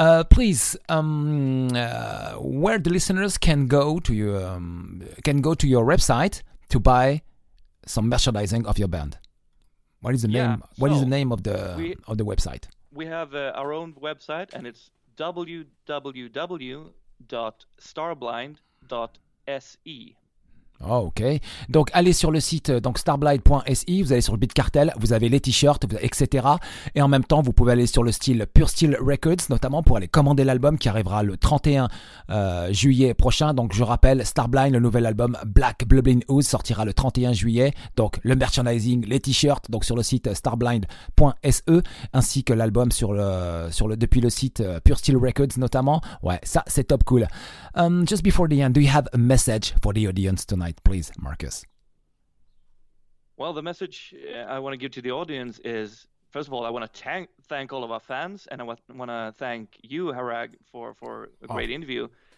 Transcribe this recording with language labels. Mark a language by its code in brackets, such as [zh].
[en] Please, where the listeners can go to your website to buy some merchandising of your band. What is the name? Yeah, what is the name of the website? We have our own website, and it's www.starblind.se. Oh, OK. [fr] Donc, allez sur le site donc starblind.se, vous allez sur le Bitcartel, vous avez les t-shirts, etc. Et en même temps, vous pouvez aller sur le style Pure Steel Records, notamment pour aller commander l'album qui arrivera le 31 juillet prochain. Donc, je rappelle, Starblind, le nouvel album Black Blubbing Ooze sortira le 31 juillet. Donc, le merchandising, les t-shirts, donc sur le site starblind.se, ainsi que l'album depuis le site Pure Steel Records, notamment. Ouais, ça, c'est top cool. [en] Just before the end, do you have a message for the audience tonight? Night, please, Marcus. Well, the message I want to give to the audience is, first of all, I want to thank all of our fans, and I want to thank you, Harag, for a great interview.